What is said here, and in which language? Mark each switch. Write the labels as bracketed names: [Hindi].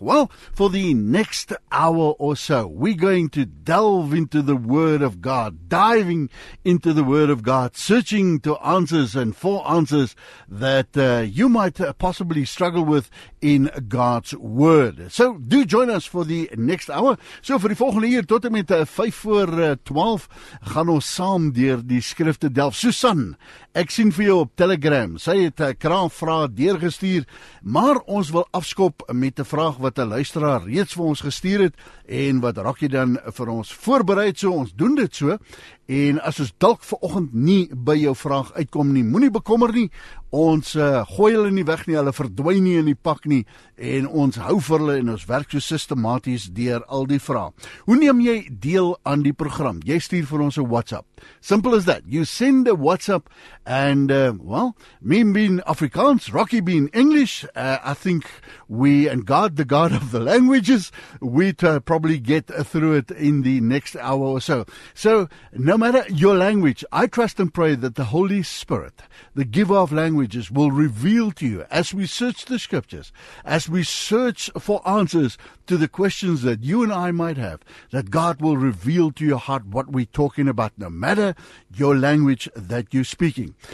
[English] Well, for the next hour or so, we're going to delve into the Word of God, diving into the Word of God, searching to answers and for answers that you might possibly struggle with in God's Word. So, do join us for the next hour. [Afrikaans] So vir die volgende uur tot en met 5 voor 12 gaan ons saam deur die skrifte delf. Susan, ek sien vir jou op Telegram. Sy het 'n kraamvraag deurgestuur, maar ons wil afskop met 'n vraag wat 'n luisteraar reeds vir ons gestuur het en wat Rakkie dan vir ons voorberei het. So ons doen dit so. En as ons dalk vanoggend nie by jou vraag uitkom nie, moenie bekommer nie. Ons gooi hulle nie weg nie, hulle verdwyn nie in die pak nie. En ons hou vir hulle en ons werk so sistematies deur al die vrae. Hoe neem jy deel aan die program? Jy stuur vir ons 'n WhatsApp. [English] Simple as that. You send a WhatsApp and, well, me being Afrikaans, Rocky being English, I think we, and God, the God of the languages, we'd probably get through it in the next hour or so. So, no matter your language, I trust and pray that the Holy Spirit, the giver of languages, will reveal to you as we search the scriptures, as we search for answers to the questions that you and I might have, that God will reveal to your heart what we're talking about, no matter your language that you're speaking.